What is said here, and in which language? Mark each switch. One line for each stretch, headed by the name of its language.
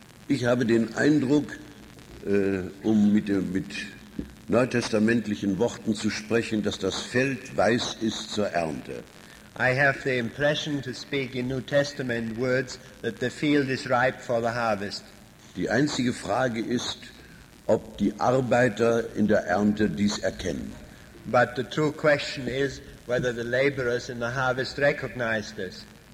German: Ich habe den Eindruck, mit neutestamentlichen Worten zu sprechen, dass das Feld weiß ist zur Ernte.
English: I have the impression to speak in New Testament words that the field is ripe for the harvest.
German: Die einzige Frage ist, ob die Arbeiter in der Ernte dies erkennen.
English: But the true question is whether the laborers in the harvest recognize this.